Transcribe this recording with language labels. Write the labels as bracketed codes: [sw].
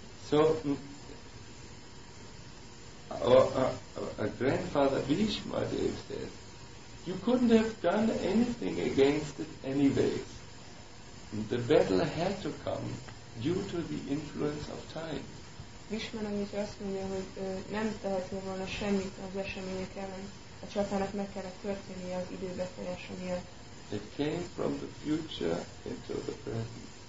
[en] So, our grandfather Bhishma Dev says, you couldn't have done anything against it anyways. The battle had to come due to the influence of time. [hu] Bhishma azt mondja, hogy nem tehetne volna semmit az események ellen. A csatának meg kellett történnie az idő befolyása miatt. [en] It came from the future into the present.